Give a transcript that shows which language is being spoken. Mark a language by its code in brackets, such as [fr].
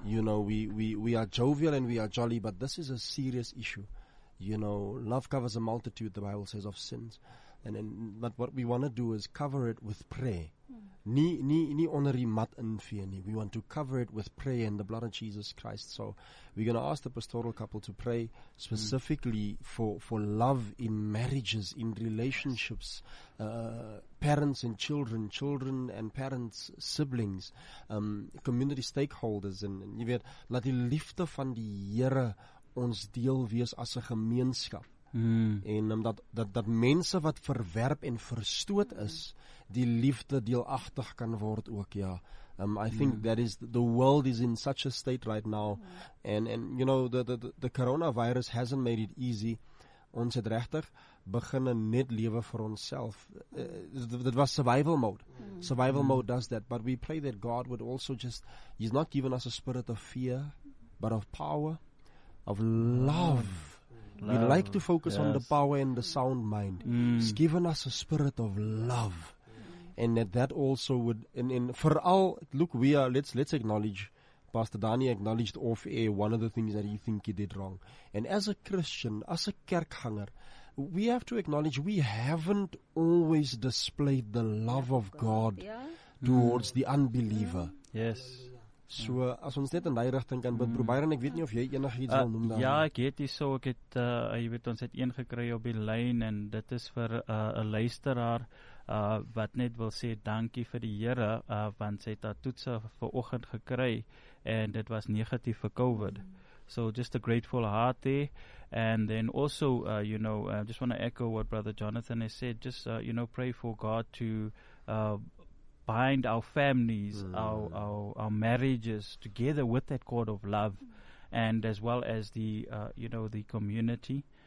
[en] You know, we are jovial and we are jolly, but this is a serious issue. You know, love covers a multitude, the Bible says, of sins. But what we want to do is cover it with prayer. [af] Nie onder die mat in vee nie. [en] We want to cover it with prayer and the blood of Jesus Christ. So we're going to ask the pastoral couple to pray specifically for love in marriages, in relationships, parents and children, children and parents, siblings, community stakeholders. [af] And jy weet, laat die liefde van die Here ons deel wees as 'n gemeenskap. En dat mense wat verwerp en verstoot is, die liefde deelagtig kan word ook, ja. [en] I think that is, the world is in such a state right now. And you know, the coronavirus hasn't made it easy. [af] Ons het regtig beginne net lewe vir onsself. Dit was [en] survival mode. Survival mode does that. But we pray that God would also just, He's not given us a spirit of fear, but of power, of love. We like to focus on the power and the sound mind. He's given us a spirit of love. And that also would, and for all, look, we are, let's acknowledge, Pastor Dani acknowledged off air one of the things that you think he did wrong. And as a Christian, as a kerkhanger, we have to acknowledge we haven't always displayed the love of God towards the unbeliever. Yes. [af] So, as ons net in die richting kan bid, probeer, en ek weet nie of jy enig iets wil noem daar. Ja, ek het die so, ek het, jy weet, ons het een gekry op die lijn, en dit is vir een luisteraar, wat net wil sê, dankie vir die Here, want sy het daar toetse vir oggend gekry, en dit was negatief vir COVID. [en] So, just a grateful heart there. And then also, you know, I just want to echo what Brother Jonathan has said, just, you know, pray for God to bind our families, our marriages together with that cord of love, and as well as the, you know, the community.